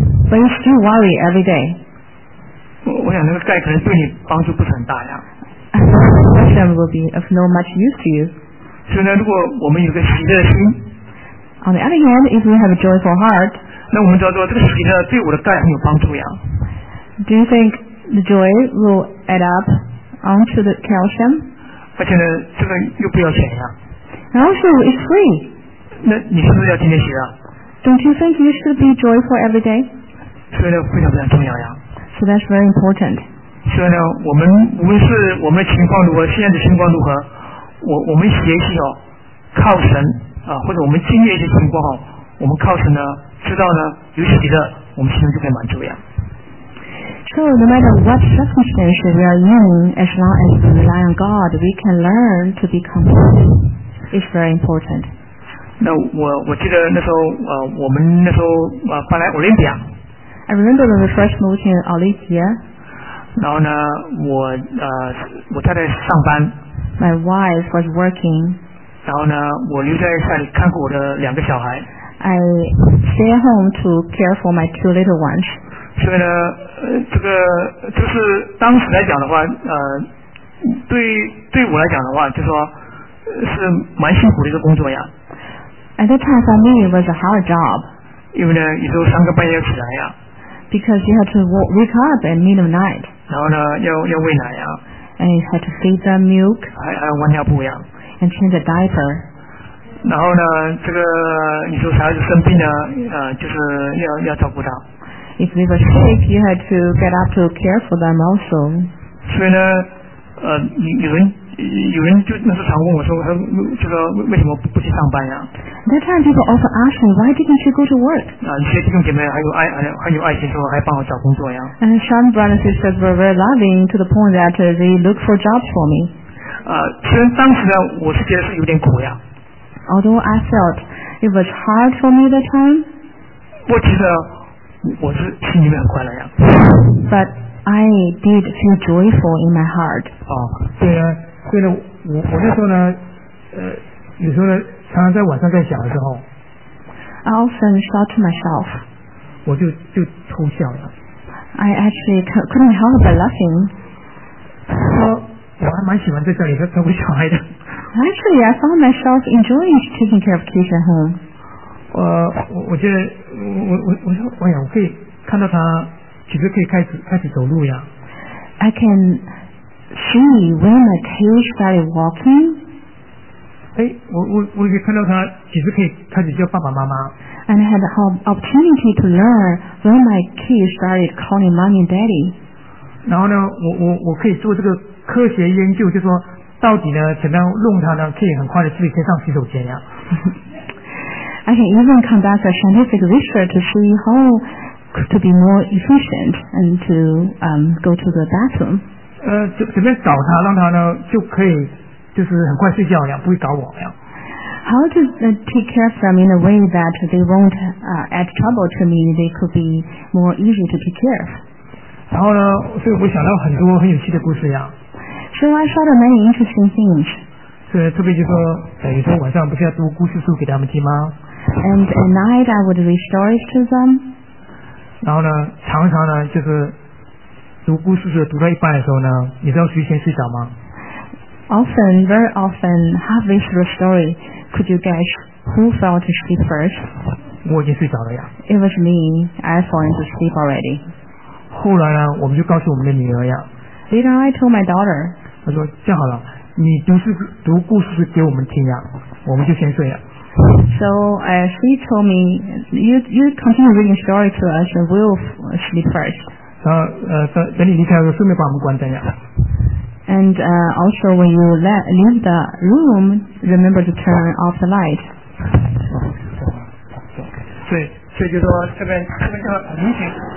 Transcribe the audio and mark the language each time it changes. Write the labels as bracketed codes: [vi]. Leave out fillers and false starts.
[en] But you still worry every day。 [zh] 我想那个钙可能对你帮助不是很大呀。 [en] Calcium will be of no much use to you。 [zh] 所以呢，如果我们有个喜乐心 [en] ，On the other hand, if we have a joyful heart， [zh] 那我们知道说这个喜乐对我的钙很有帮助呀。 [en] Do you think the joy will add up onto the calcium? [zh] 而且呢，这个又不要钱呀。 [en] And also, it's free. [zh] 那你是不是要天天学啊？ [en] Don't you think you should be joyful every day? [zh] 所以呢，非常非常重要呀。 [en] So that's very important. [zh] 所以呢，我们无论是我们的情况如何，现在的情况如何，我们学习哦，靠神啊，或者我们经历一些情况哦，我们靠神呢，知道呢有喜乐，我们心中就可以满足呀。 [en] So no matter what circumstance we are in, as long as we rely on God, we can learn to be content. It's very important. [zh] 那我记得那时候我们那时候搬来 Olympia. [en] I remember when we first moved in Olympia. [zh] 然后呢，我太太上班。 [en] My wife was working. [zh] 然后呢，我留在家里看顾我的两个小孩。 [en] I stay at home to care for my two little ones. [zh] 所以呢，这个就是当时来讲的话，对我来讲的话，就说是蛮辛苦的一个工作呀。 [en] At that time for me it was a hard job. [zh] 因为呢，有时候三个半夜起来呀。 [en] Because you had to wake up at middle of night. [zh] 然后呢，要喂奶呀。 [en] And you had to feed them milk. [zh] 还要换尿布呀。 [en] And change a diaper. [zh] 然后呢，这个你说小孩子生病呢，就是要照顾他。 [en] If they were sick, you had to get up to care for them also. [zh] 所以呢，有人就那时常问我说，他这个为什么不去上班呀？ [en] That time, people often ask me, why didn't you go to work? [zh] 啊，一些弟兄姐妹还有爱心说，还帮我找工作呀。 [en] And some brothers and sisters were very loving to the point that they looked for jobs for me. [zh] 虽然当时呢，我是觉得是有点苦呀。 [en] Although I felt it was hard for me that time. [zh] 我觉得。我是心里面很快乐呀。 [en] But I did feel joyful in my heart. [zh] 哦，对呢，对呢，我那时候呢，有时候呢，常常在晚上在想的时候 [en] ，I often thought to myself. [zh] 我就偷笑了。 [en] I actually couldn't help but laughing. [zh] 说我还蛮喜欢在家里照顾小孩的。 [en] Actually, I found myself enjoying taking care of kids at home. [zh] 我觉得我想我可以看到他其实可以开始走路呀。 [en] I can see when my cage started walking. [zh] 哎，我可以看到他其实可以开始叫爸爸妈妈。 [en] And I had the opportunity to learn when my cage started calling mommy and daddy. [zh] 然后呢，我可以做这个科学研究，就说到底呢，怎么样弄他呢，可以很快的自己先上洗手间呀。 [en] I can even conduct a scientific research to see how to be more efficient and to go to the bathroom. [zh] 怎么样找他，让他呢就可以就是很快睡觉呀，不会找我呀。 [en] How to take care of them in a way that they won't add trouble to me? They could be more easy to take care of. [zh] 然后呢，所以我想到很多很有趣的故事呀。 [en] So I thought of many interesting things. [zh] 是特别就说，等于说晚上不是要读故事书给他们听吗？ [en] And at night I would read stories to them. [zh] 然后呢，常常呢就是读故事书读到一半的时候呢，你知道谁先睡着吗？ [en] Often, very often, halfway through the story, could you guess who fell to sleep first? [zh] 我已经睡着了呀。 [en] It was me. I fell into sleep already. [zh] 后来呢，我们就告诉我们的女儿呀。 [en] Later, I told my daughter. [zh] 她说这样好了，你读故事书给我们听呀，我们就先睡了。 [en] So she told me, you continue reading story to us and we'll sleep first. [zh] 然后等你离开的时候顺便把我们关灯呀。 [en] And also when you leave the room, remember to turn off the light. [zh] 所以就说这边就很明显。